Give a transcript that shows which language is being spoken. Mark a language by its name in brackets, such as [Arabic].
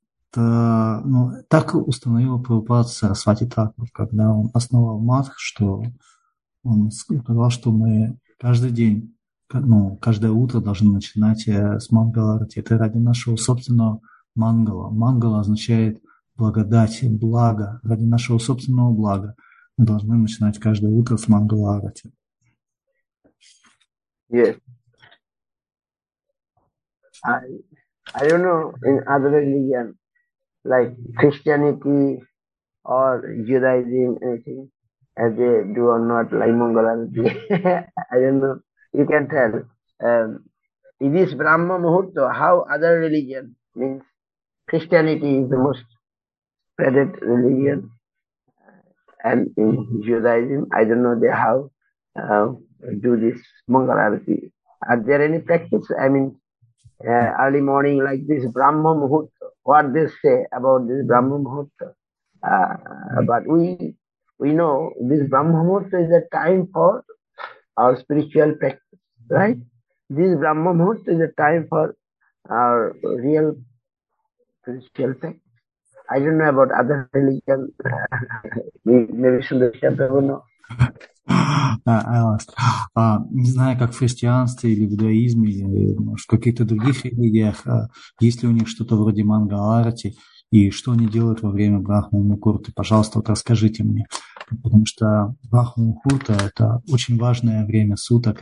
[Russian] Так установил Прабхупад Сарасвати Тхакур, когда он основал Матх, что он сказал, что мы каждый день, ну, каждое утро должны начинать с мангаларати. Это ради нашего собственного мангала. Мангала означает благодать, благо. Ради нашего собственного блага мы должны начинать каждое утро с мангаларати. [English] Yes. I don't know in other religion, like Christianity or Judaism, anything. As they do or not like mangalarati. I don't know. You can tell. In this Brahma Muhurta, how other religion means Christianity is the most spreaded religion. And in Judaism, I don't know they how do this mangalarati. Are there any practice? I mean, early morning like this Brahma Muhurta, what they say about this Brahma Muhurta. But we know this Brahma Muhurta is a time for our spiritual practice, right? This Brahma Muhurta is a time for our real spiritual practice. I don't know about other religions. Maybe Sundarshan Prabhu knows. [Russian] Не знаю, как в христианстве или в иудаизме, или может, в каких-то других религиях, есть ли у них что-то вроде мангаларати, и что они делают во время Брахма Мухурты. Пожалуйста, вот расскажите мне. Потому что Брахма Мухурта – это очень важное время суток.